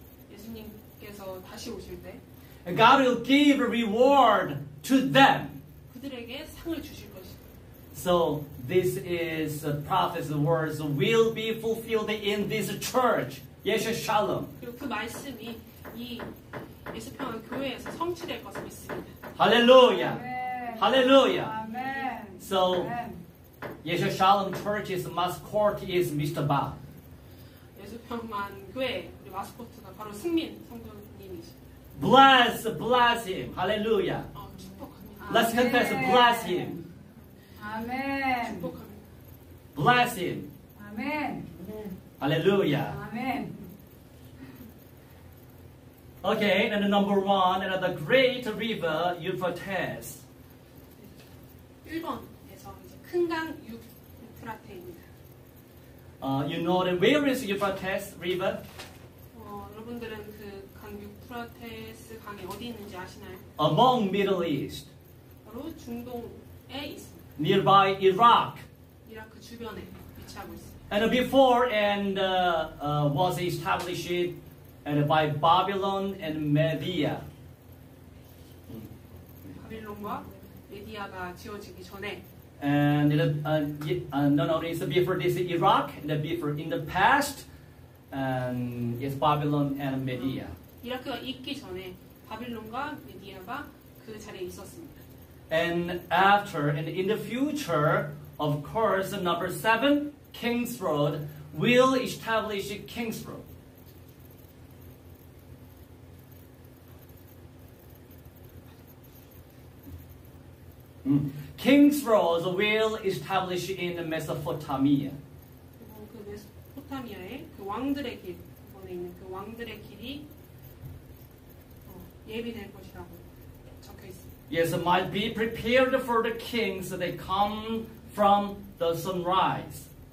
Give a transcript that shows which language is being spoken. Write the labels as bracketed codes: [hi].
[ko] 예수님께서 다시 오실 때 [en] God will give a reward to them [ko] 그들에게 상을 주실 것이 [en] So This is the prophet's words will be fulfilled in this church. [he] Yeshua Shalom. [ko] 그 말씀이 이 예수평안 교회에서 성취될 것을 믿습니다. Hallelujah. Amen. Hallelujah. Amen. [en] So, Amen. [ko] 예루살렘 교회의 마스코트 [en] is Mr. Ba. [ko] 예루살렘 교회의 마스코트가 바로 승민 성도님이십니다. [en] Bless him. Hallelujah. [ko] 축복합니다. [en] Let's confess. Bless him. 아멘. [ko] 축복합니다. [en] Bless him. 아멘. Hallelujah. 아멘. Okay, and the number one, and the great river Euphrates. [ko] 1번에서 큰 강 유프라테입니다. [en] You know that where is Euphrates River? [ko] 여러분들은 그 강 유프라테스 강이 어디 있는지 아시나요? [en] Among Middle East. [ko] 바로 중동에 있습니다. [en] Nearby Iraq. [ko] 이라크 주변에 위치하고 있습니다. [en] And before and was established. And by Babylon and Media. [ko] 바빌론과 메디아가 지어지기 전에. [en] And it, no, no, it's before this Iraq, and before in the past, it's Babylon and Media. [ko] 이라크가 있기 전에 바빌론과 메디아가 그 자리에 있었습니다. [en] And after and in the future, of course, number seven, King's Road will establish King's Road. 킹스 로드 will establish in Mesopotamia. [ko] 그 메소포타미아의 그 왕들의 길 이번에 있는 그 왕들의 길이 예비될 것이라고 적혀 있습니다. [en] Yes, it might be prepared for the kings that they come from the sunrise.